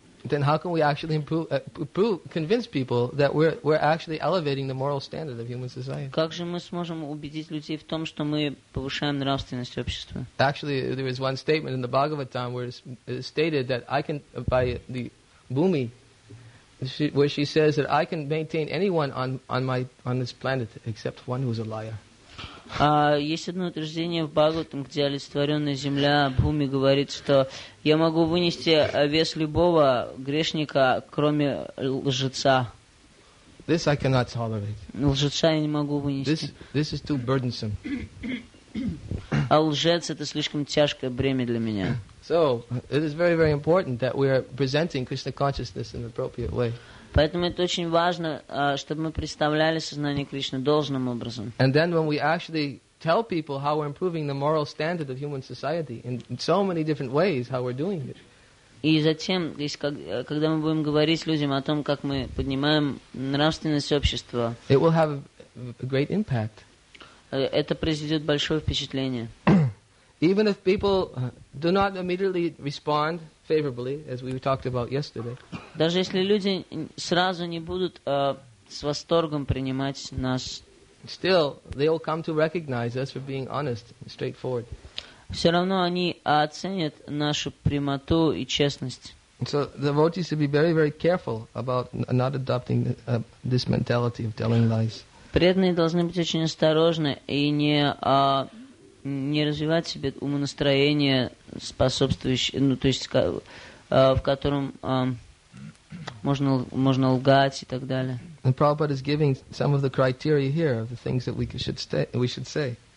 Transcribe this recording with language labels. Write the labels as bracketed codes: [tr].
[en] then how can we actually convince people that we're actually elevating the moral standard of human society? [ru] Как же мы сможем убедить людей в том, что мы повышаем нравственность общества? [en] Actually, there is one statement in the Bhagavatam where it's stated that I can, by the Bhumi, where she says that I can maintain anyone on this planet except one who is a liar. [ru] Есть одно утверждение в Бхагаватам, где олицетворенная земля Бхуми говорит, что я могу вынести вес любого грешника, кроме лжеца. [en] This I cannot tolerate. [ru] Лжеца я не могу вынести. [en] This is too burdensome. [ru] А лжец — это слишком тяжкое бремя для меня. [en] So it is very, very important that we are presenting Krishna consciousness in an appropriate way. [ru] Поэтому это очень важно, чтобы мы представляли сознание Кришны должным образом. [en] And then when we actually tell people how we're improving the moral standard of human society in so many different ways, how we're doing it. [ru] И затем, когда мы будем говорить людям о том, как мы поднимаем нравственность общества, [en] it will have a great impact. [ru] Это произведет большое впечатление. [en] Even if people do not immediately respond favorably, as we talked about yesterday. [ru] Даже если люди сразу не будут с восторгом принимать нас, [en] still they will come to recognize us for being honest and straightforward. [ru] Все равно они оценят нашу прямоту и честность. [en] And so the devotees should be very, very careful about not adopting this mentality of telling lies. [ru] Преданные должны быть очень осторожны и не развивать себе умонастроение, способствующее, ну, то есть, в котором можно лгать и так далее. [en] And Prabhupada is giving some of the criteria here of the things that we should say.